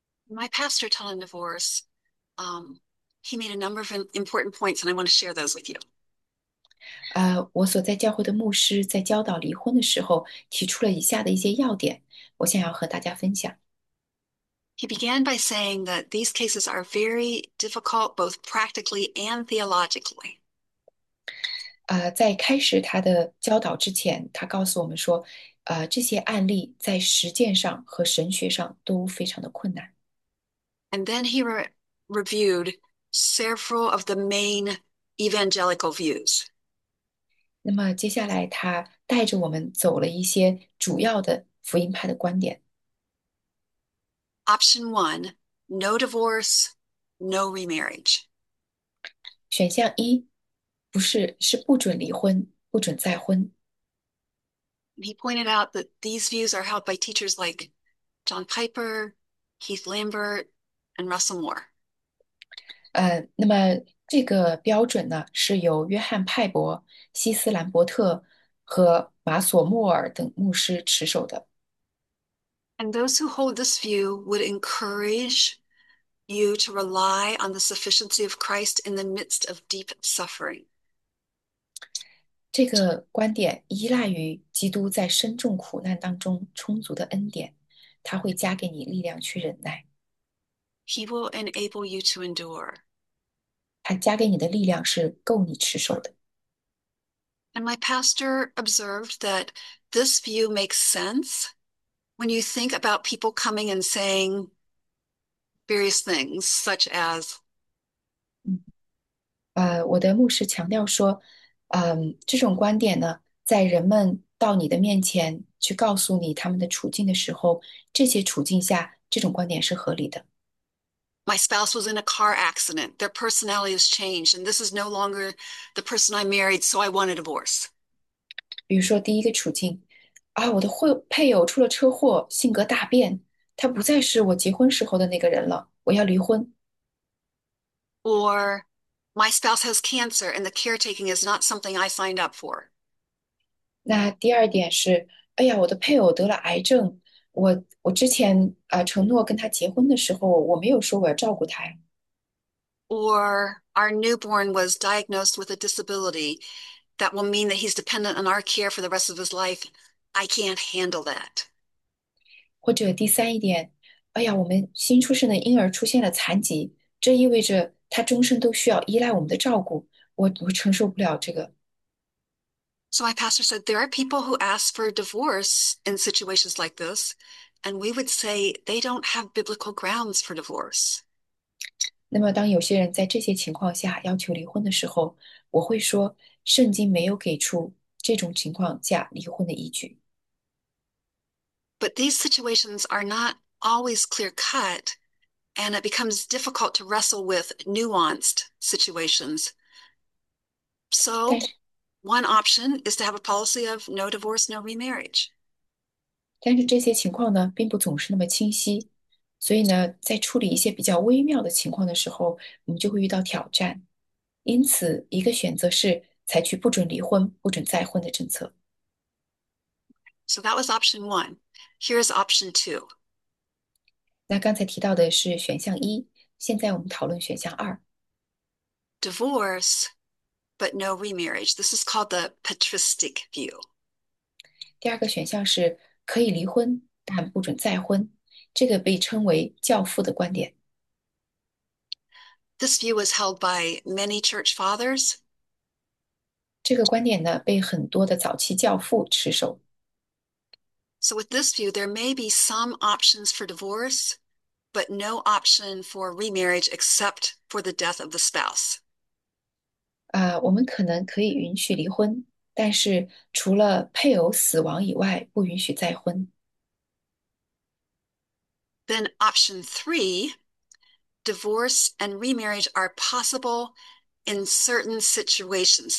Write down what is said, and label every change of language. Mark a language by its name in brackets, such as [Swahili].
[English] My pastor taught on divorce. He made a number of important points, and I want to share those with you. [Chinese] 我所在教会的牧师在教导离婚的时候，提出了以下的一些要点，我想要和大家分享。 [English] He began by saying that these cases are very difficult, both practically and theologically. [Chinese] 在开始他的教导之前，他告诉我们说，这些案例在实践上和神学上都非常的困难。 [English] And then he re reviewed several of the main evangelical views. [Chinese] 那么接下来他带着我们走了一些主要的福音派的观点。 [English] Option one, no divorce, no remarriage. [Chinese] 选项一。不是，是不准离婚，不准再婚。 [English] He pointed out that these views are held by teachers like John Piper, Heath Lambert, and Russell Moore. [Chinese] 那么这个标准呢，是由约翰·派伯、希斯·兰伯特和马索·穆尔等牧师持守的。 [English] And those who hold this view would encourage you to rely on the sufficiency of Christ in the midst of deep suffering. [Chinese] 这个观点依赖于基督在深重苦难当中充足的恩典，他会加给你力量去忍耐。 [English] He will enable you to endure. [Chinese] 他加给你的力量是够你持守的。 [English] And my pastor observed that this view makes sense when you think about people coming and saying various things, such as, [Chinese] 我的牧师强调说，这种观点呢，在人们到你的面前去告诉你他们的处境的时候，这些处境下，这种观点是合理的。 [English] My spouse was in a car accident. Their personality has changed, and this is no longer the person I married, so I want a divorce. [Chinese] 比如说，第一个处境，我的配偶出了车祸，性格大变，他不再是我结婚时候的那个人了，我要离婚。 [English] Or, my spouse has cancer, and the caretaking is not something I signed up for. [Chinese] 那第二点是，哎呀，我的配偶得了癌症，我之前承诺跟他结婚的时候，我没有说我要照顾他呀。 [English] Or our newborn was diagnosed with a disability that will mean that he's dependent on our care for the rest of his life. I can't handle that. [Chinese] 或者第三一点，哎呀，我们新出生的婴儿出现了残疾，这意味着他终生都需要依赖我们的照顾，我承受不了这个。 [English] So my pastor said there are people who ask for a divorce in situations like this, and we would say they don't have biblical grounds for divorce. [Chinese] 那么，当有些人在这些情况下要求离婚的时候，我会说，圣经没有给出这种情况下离婚的依据。 [English] But these situations are not always clear-cut, and it becomes difficult to wrestle with nuanced situations. So, one option is to have a policy of no divorce, no remarriage. [Chinese] 但是这些情况呢，并不总是那么清晰，所以呢，在处理一些比较微妙的情况的时候，我们就会遇到挑战。因此，一个选择是采取不准离婚、不准再婚的政策。 [English] So that was option one. Here's option two. [Chinese] 那刚才提到的是选项一，现在我们讨论选项二。 [English] Divorce, but no remarriage. This is called the patristic view. [Chinese] 第二个选项是可以离婚，但不准再婚，这个被称为教父的观点。 [English] This view was held by many church fathers. [Chinese] 这个观点呢，被很多的早期教父持守。 [English] So, with this view, there may be some options for divorce, but no option for remarriage except for the death of the spouse. [Chinese] 我们可能可以允许离婚。但是，除了配偶死亡以外，不允许再婚。 [English] Then, option three, divorce and remarriage are possible in certain situations.